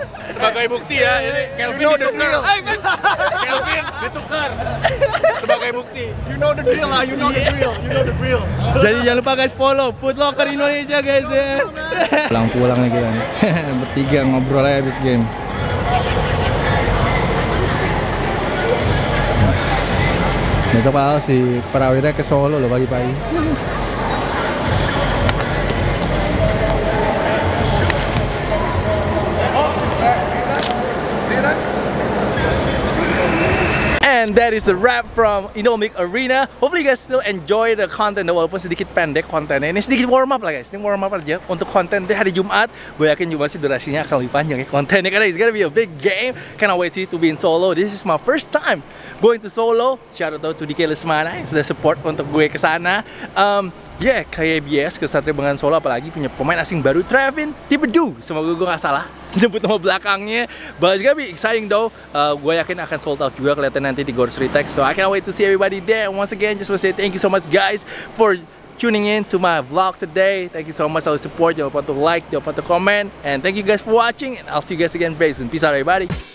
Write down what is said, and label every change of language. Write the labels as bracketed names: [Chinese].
[Indonesian] Sebagai bukti ya, ini Kelvin [English] you know [Indonesian] ditukar. Kelvin ditukar. Sebagai bukti. [English] You know the drill lah, you know the drill. [Indonesian] Jadi jangan lupa guys follow Foot Locker Indonesia guys ya. Pulang-pulang nih kita nih. Bertiga ngobrol aja habis game. Besok pak si Prawira ke Solo loh pagi-pagi. Eh [English] And that is the wrap from Indomic Arena. Hopefully you guys still enjoy the content, [Indonesian] walaupun sedikit pendek kontennya. Ini sedikit warm up lah guys, ini warm up aja untuk konten di hari Jumat. Gue yakin Jumat sih durasinya akan lebih panjang ya kontennya, karena [English] it's gonna be a big game. Cannot wait to be in solo. This is my first time going to solo. Shout out to [Indonesian] DK Lesmana yang sudah support untuk gue kesana. Yeah, KBS ke Satria Bengawan Solo, apalagi punya pemain asing baru, Trevin Tibedu. Semoga gue gak salah sebut nama belakangnya. [English] But it's gonna be exciting though. [Indonesian] Gue yakin akan sold out juga, kelihatan nanti di Gors Retex. [English] So I can't wait to see everybody there. Once again, just want to say thank you so much guys for tuning in to my vlog today. Thank you so much for the support. [Indonesian] Jangan lupa [English] to like, jangan lupa to comment. And thank you guys for watching. And I'll see you guys again very soon. Peace out everybody.